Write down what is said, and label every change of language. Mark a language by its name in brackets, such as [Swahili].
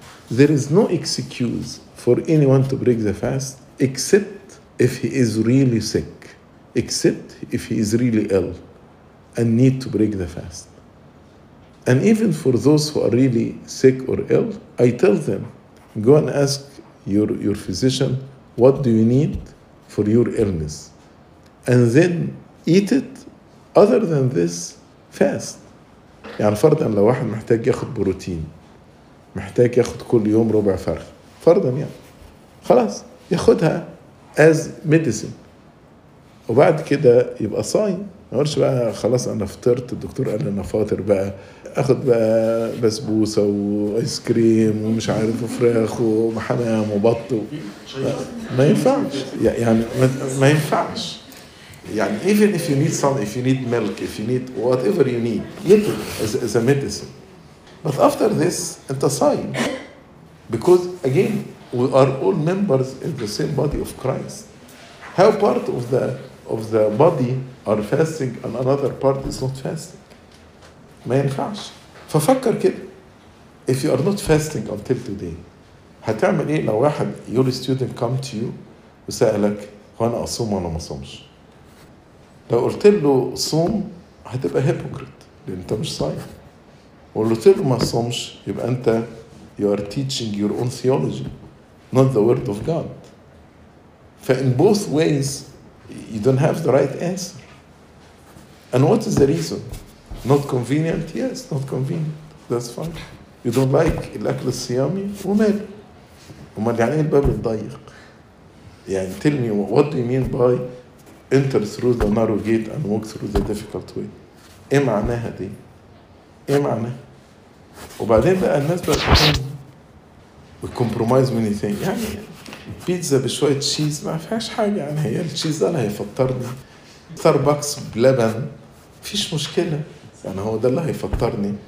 [English] There is no excuse for anyone to break the fast except if he is really sick, except if he is really ill and need to break the fast. And even for those who are really sick or ill, I tell them, go and ask your physician, what do you need for your illness? And then eat it. Other than this, fast. [Arabic] يعني فرضا لو واحد محتاج ياخد بروتين محتاج ياخد كل يوم ربع فرخ فرضا يعني خلاص ياخدها [English] as medicine [Arabic] وبعد كده يبقى صايم ما قلتش بقى خلاص انا فطرت الدكتور قال انا فاطر بقى اخد بقى بسبوسه وايس كريم ومش عارف فراخ وحمام وبط ما ينفعش يعني ما ينفعش يعني [English] even if you need some, if you need milk, if you need whatever you need, eat it as a medicine. But after this, [Arabic] أنت صايم. [English] Because again, we are all members in the same body of Christ. How part of the body are fasting and another part is not fasting? [Arabic] ما ينفعش. ففكر كده. [English] If you are not fasting until today, [Arabic] هتعمل إيه لو واحد [English] your student come to you [Arabic] وسألك هو أنا أصوم ولا ما أصومش؟ لو قلت له صوم هتبقى هيبوكريت لان انت مش صايم وقلت له ما صومش يبقى انت [English] you are teaching your own theology not the word of God [Arabic] فان [English] both ways you don't have the right answer and what is the reason not convenient yes not convenient that's fine you don't like [Arabic] الاكل الصيامي ومال ومال يعني الباب الضيق يعني [English] tell me what do you mean by enter through the narrow gate and walk through the difficult way. [Arabic] ايه معناها دي؟ ايه معناها؟ وبعدين بقى الناس بقى [English] we compromise many things. [Arabic] يعني بيتزا بشوية تشيز ما فيهاش حاجة يعني هي التشيز ده هيفطرني. ستاربكس بلبن فيش مشكلة. يعني هو ده اللي هيفطرني.